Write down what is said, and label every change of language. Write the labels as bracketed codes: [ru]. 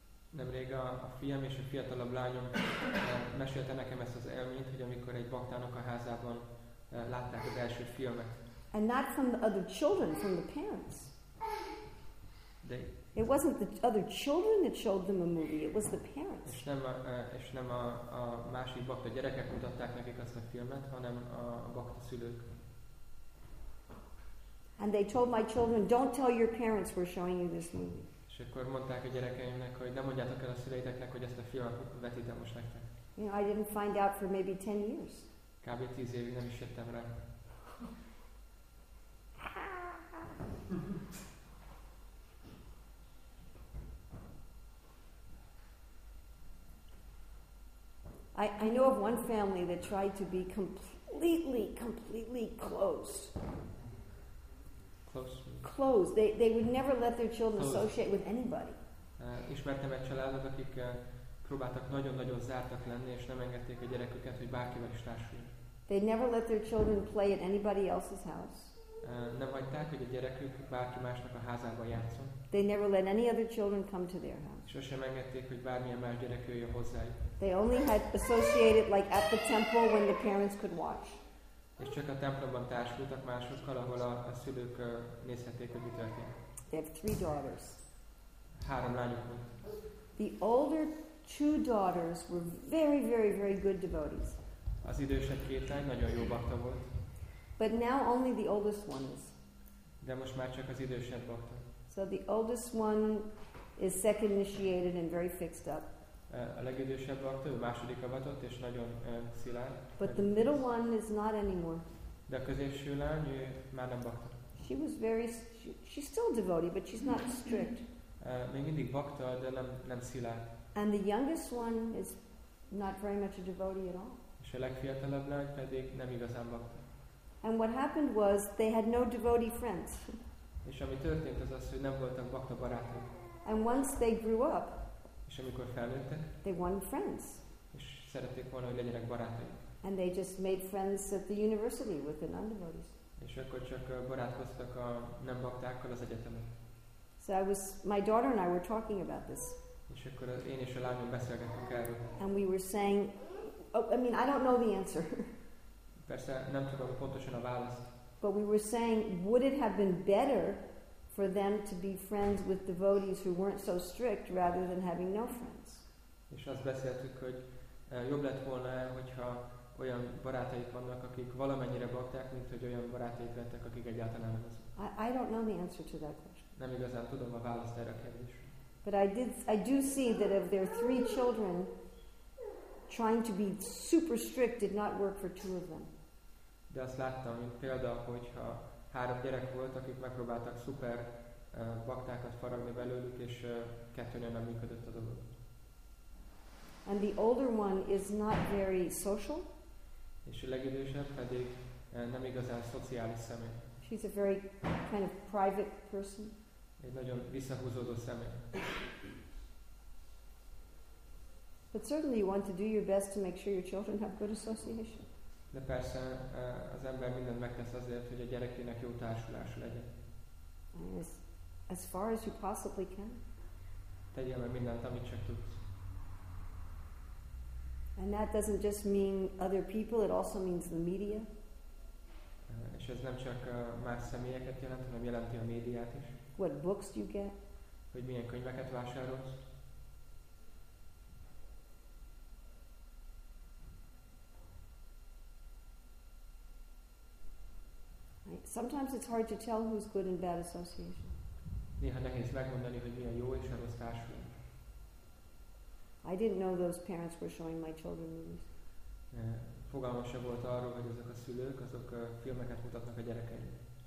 [hu] Nemrég a fiam és a fiatalabb lányom mesélte nekem ezt az élményt, hogy amikor egy baktának a házában látták az első filmet. [en] And not from the other children, from the parents. [hu] De [en] It wasn't the other children that showed them a movie, it was the parents. [hu] És nem a másik bakta gyerekek mutatták nekik azt a filmet, hanem a bakta szülők. [en] And they told my children, don't tell your parents we're showing you this movie. [hu] És akkor mondták a gyerekeimnek, hogy nem mondjátok el a szüleiteknek, hogy ezt a filmet vetítem most nektek. [en] You know, I didn't find out for maybe 10 years. [hu] Kb. 10 évig nem is jöttem rá. [en] I know of one family that tried to be completely close. Close. They would never let their children associate with anybody. [hu] Ismertem egy családot, akik próbáltak nagyon-nagyon zártak lenni, és nem engedték a gyereküket, hogy bárkivel is társuljon. [en] They never let their children play at anybody else's house. [hu] Nem hagyták, hogy a gyerekük bárki másnak a házában játszon. [en] They never let any other children come to their house. [hu] Sosem engedték, hogy bármilyen más gyerek jöjjön hozzájuk. [en] They only had associated like at the temple when the parents could watch. [hu] És csak a templomban társultak másokkal, ahol a szülők nézhették, hogy mi történik. [en] They have three daughters. [hu] Három lányuk volt. [en] The older two daughters were very, very, very good devotees. [hu] Az idősebb két lány nagyon jó bakta volt. [en] But now only the oldest one is. [hu] De most már csak az idősebb bakta. [en] So the oldest one is second initiated and very fixed up. [hu] A legidősebb bakta, ő második avatott és nagyon szilárd. [en] But the middle one is not anymore. [hu] De a középső lány, ő már nem bakta. [en] She was very, she's still a devotee, but she's not strict. [hu] Még mindig bakta, de nem szilárd. [en] And the youngest one is not very much a devotee at all. [hu] És a legfiatalabb lány pedig nem igazán bakta. [en] And what happened was they had no devotee friends. [hu] És ami történt az, hogy nem voltak bakta barátok. [en] And once they grew up, [hu] és amikor felnőttek, [en] they wanted friends. [hu] És szerették volna, hogy legyenek barátaik. [en] And they just made friends at the university with the non-devotees. [hu] És akkor csak barátkoztak a nem baktákkal az egyetemen. [en] So I was, my daughter and I were talking about this. [hu] És akkor én és a lányom beszélgettünk erről. [en] And we were saying, oh, I mean, I don't know the answer. [hu] Persze nem tudom pontosan a választ. [en] But we were saying, would it have been better for them to be friends with devotees who weren't so strict rather than having no friends? [hu] És azt beszéltük, hogy jobb lett volna, hogyha olyan barátaik vannak, akik valamennyire bakták, mint hogy olyan barátaik lettek, akik egyáltalán nem azok. [en] I don't know the answer to that question. [hu] Nem igazán tudom a választ erre a kérdésre. [en] But I do see that of their three children, trying to be super strict did not work for two of them. [hu] De azt láttam, mint példa, hogyha három gyerek volt, akik megpróbáltak szuper baktákat faragni belőlük, és kettőnél nem működött a dolog. [en] And the older one is not very social. [hu] És a legidősebb pedig nem igazán szociális személy. [en] She's a very kind of private person. [hu] Egy nagyon visszahúzódó személy. [en] But certainly you want to do your best to make sure your children have good association. [hu] De persze az ember mindent megtesz azért, hogy a gyerekének jó társulása legyen. [en] As far as you possibly can. [hu] Tegyél meg mindent, amit csak tudsz. [en] And that doesn't just mean other people, it also means the media. [hu] És ez nem csak más személyeket jelent, hanem jelenti a médiát is. [en] What books do you get? [hu] Hogy milyen könyveket vásárolsz. [en] Sometimes it's hard to tell who's good and bad association. [hu] Néha nehéz megmondani, hogy mi a jó és a rossz társulás. [en] I didn't know those parents were showing my children movies. [hu] Fogalmam sem volt arról, hogy ezek a szülők, azok filmeket mutatnak a gyerekeinek.